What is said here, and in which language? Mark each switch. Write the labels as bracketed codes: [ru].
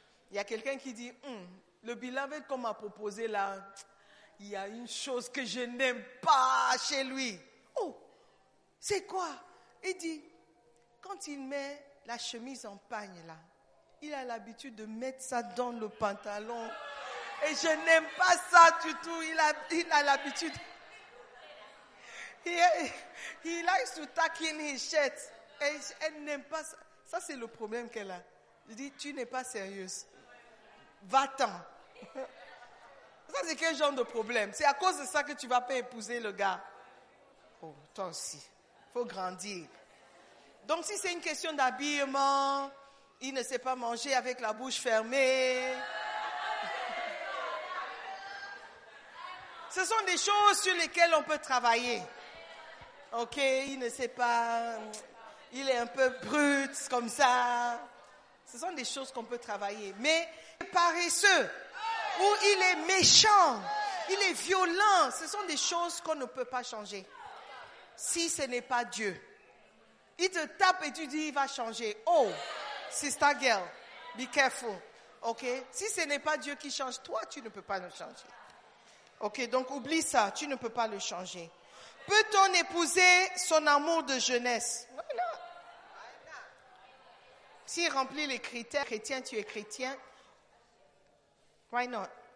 [fr] Il y a quelqu'un qui dit, le bilan qu'on m'a proposé là, il y a une chose que je n'aime pas chez lui. Oh, c'est quoi? Il dit, quand il met la chemise en pagne là, il a l'habitude de mettre ça dans le pantalon. Et je n'aime pas ça du tout, il a l'habitude... [en] He likes to tuck in his shirt. [fr] Elle n'aime pas ça. Ça, c'est le problème qu'elle a. Je dis, tu n'es pas sérieuse. Va-t'en. Ça, c'est quel genre de problème? C'est à cause de ça que tu ne vas pas épouser le gars. Oh, toi aussi. Il faut grandir. Donc, si c'est une question d'habillement, il ne sait pas manger avec la bouche fermée. Ce sont des choses sur lesquelles on peut travailler. Ok, il ne sait pas, il est un peu brut comme ça. Ce sont des choses qu'on peut travailler. Mais paresseux, où il est méchant, il est violent, ce sont des choses qu'on ne peut pas changer. Si ce n'est pas Dieu, Il te tape et tu dis, il va changer. [en] Oh, sister girl, be careful. OK? [fr] Si ce n'est pas Dieu qui change, toi, tu ne peux pas le changer. OK? Donc, oublie ça. Tu ne peux pas le changer. Peut-on épouser son amour de jeunesse? Voilà. S'il remplit les critères, chrétien, tu es chrétien. [en] Why not?